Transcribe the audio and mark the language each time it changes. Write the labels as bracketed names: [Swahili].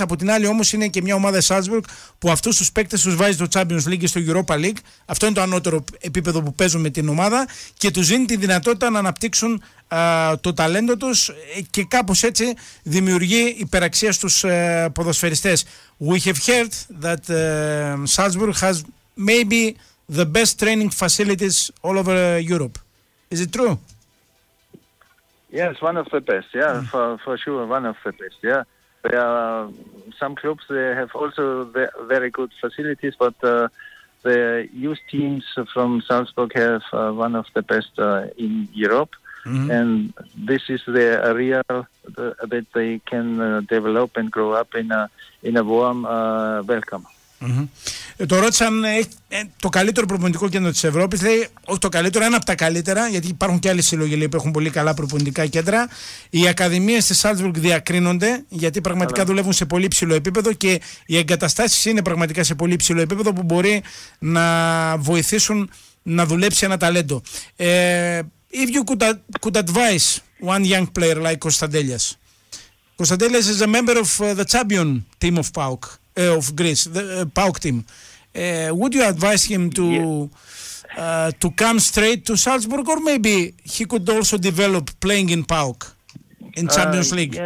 [Greek] Από την άλλη, όμως, είναι και μια ομάδα Salzburg που αυτούς τους παίκτες τους βάζει στο Champions League και στο Europa League. Αυτό είναι το ανώτερο επίπεδο που παίζουν με την ομάδα και τους δίνει τη δυνατότητα να αναπτύξουν το ταλέντο τους και κάπως έτσι δημιουργεί υπεραξία στους ποδοσφαιριστές. [English] We have heard that Salzburg has maybe the best training facilities all over Europe. Is it true? Yes, one of the best. Yeah, for sure, one of the best. Yeah, there are some clubs they have also very good facilities, but the youth teams from Salzburg have one of the best in Europe, and this is the area that they can develop and grow up in a warm welcome. [Greek] Το ρώτησαν, το καλύτερο προπονητικό κέντρο της Ευρώπης, λέει, όχι το καλύτερο, ένα από τα καλύτερα, γιατί υπάρχουν και άλλες συλλογές που έχουν πολύ καλά προπονητικά κέντρα. Οι ακαδημίες στη Salzburg διακρίνονται, γιατί πραγματικά δουλεύουν σε πολύ ψηλό επίπεδο και οι εγκαταστάσεις είναι πραγματικά σε πολύ ψηλό επίπεδο που μπορεί να βοηθήσουν να δουλέψει ένα ταλέντο. [English] If you could advise one young player like Kostadelias. Kostadelias is a member of the champion team of PAOK. Of Greece, the PAOK team. Would you advise him to come straight to Salzburg, or maybe he could also develop playing in PAOK in Champions League?